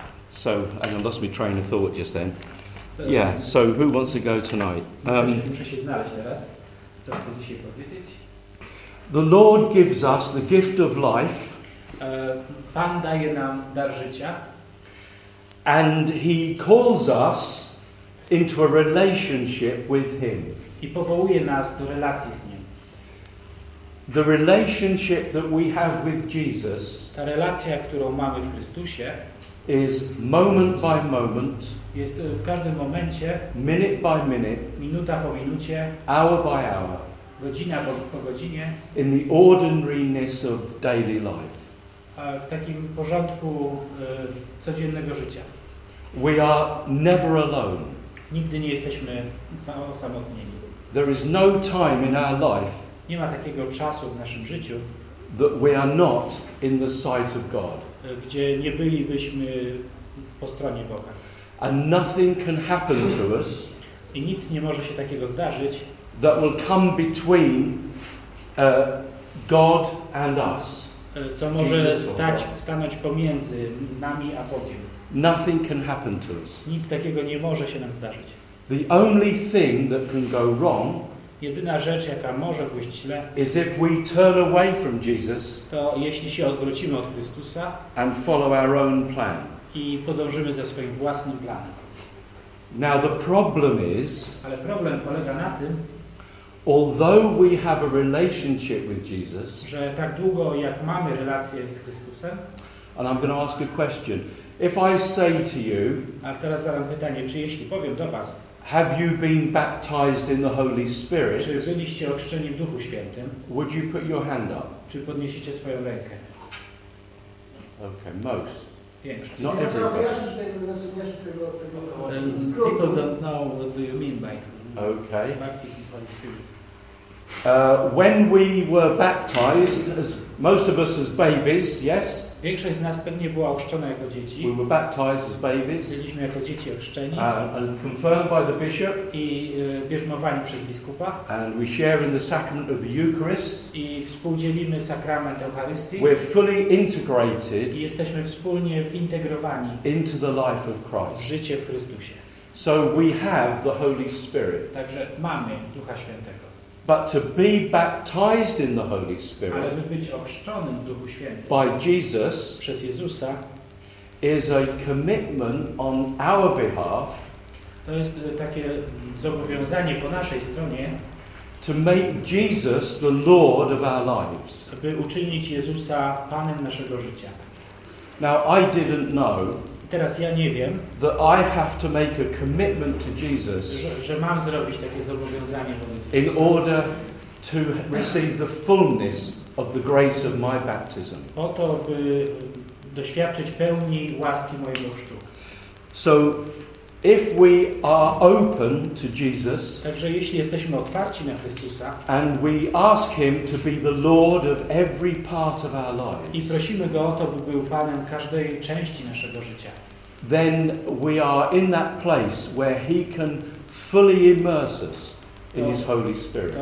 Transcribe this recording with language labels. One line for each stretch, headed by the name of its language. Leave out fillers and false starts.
English: So I lost my train of thought just then. Yeah. So who wants to go tonight?
Polish: Muszę się znaleźć teraz. Co chcę dzisiaj powiedzieć?
English: The Lord gives us the gift of life.
Polish: Pan daje nam dar życia.
English: And he calls us into a relationship with him.
Polish: I powołuje nas do relacji z nim.
English: The relationship that we have with Jesus,
Polish: ta relacja, którą mamy w Chrystusie,
English: is moment by moment,
Polish: jest w każdym momencie,
English: minute by minute,
Polish: minuta po minucie,
English: hour by hour,
Polish: godzina po godzinie,
English: in the ordinariness of daily life.
Polish: W takim porządku codziennego życia.
English: We are never alone.
Polish: Nigdy nie jesteśmy osamotnieni.
English: There is no time in our life.
Polish: Nie ma takiego czasu w naszym życiu.
English: That we are not in the sight of God.
Polish: Gdzie nie bylibyśmy po stronie Boga.
English: And nothing can happen to us.
Polish: I nic nie może się takiego zdarzyć.
English: That will come between God and us.
Polish: Co może stanąć pomiędzy nami a Bogiem.
English: Nothing can happen to us.
Polish: Nic takiego nie może się nam zdarzyć.
English: The only thing that can go wrong,
Polish: Jedyna rzecz, jaka może pójść źle,
English: is if we turn away from Jesus,
Polish: to jeśli się odwrócimy od Chrystusa
English: and follow our own plan.
Polish: I podążymy ze swoim własnym planem.
English: Now the problem is,
Polish: ale problem polega na tym,
English: although we have a relationship with Jesus,
Polish: że tak długo jak mamy relację z Chrystusem,
English: and I'm going to ask a question. If I say to you,
Polish: a teraz zadam pytanie, czy jeśli powiem do was,
English: have you been baptized in the Holy Spirit?
Polish: Czy byliście ochrzczeni w Duchu Świętym?
English: Would you put your hand up?
Polish: Czy podniesiecie swoją rękę?
English: Okay, most.
Polish: Większość.
English: Not everybody. People don't know what do you mean by okay. Baptism by the Spirit. When we were baptized, as most of us as babies, yes.
Polish: Większość z nas pewnie była ochrzczona jako dzieci.
English: We were baptized as babies.
Polish: Byliśmy jako dzieci ochrzczeni.
English: And confirmed by the bishop.
Polish: I bierzmowani przez biskupa.
English: And we share in the sacrament of the Eucharist.
Polish: I współdzielimy sakrament Eucharystii.
English: We're fully integrated.
Polish: I jesteśmy wspólnie wintegrowani.
English: Into the life of Christ.
Polish: W życie w Chrystusie.
English: So we have the Holy Spirit.
Polish: Także mamy Ducha Świętego.
English: But to be baptized in the Holy Spirit,
Polish: ale by być ochrzczonym w Duchu Świętym,
English: by Jesus,
Polish: przez Jezusa,
English: is a commitment on our behalf,
Polish: to jest takie zobowiązanie po naszej stronie,
English: to make Jesus the Lord of our lives,
Polish: by uczynić Jezusa Panem naszego życia.
English: Now I didn't know,
Polish: teraz ja nie wiem,
English: that I have to make a commitment to Jesus,
Polish: że mam zrobić takie zobowiązanie wobec Jezusa,
English: in order to receive the fullness of the grace of my baptism.
Polish: Po to, by doświadczyć pełni łaski mojego chrztu.
English: So if we are open to Jesus,
Polish: także jeśli jesteśmy otwarci na Chrystusa,
English: and we ask him to be the Lord of every part of our lives,
Polish: i prosimy go o to, by był Panem każdej części naszego życia,
English: then we are in that place where he can fully immerse us in his Holy Spirit.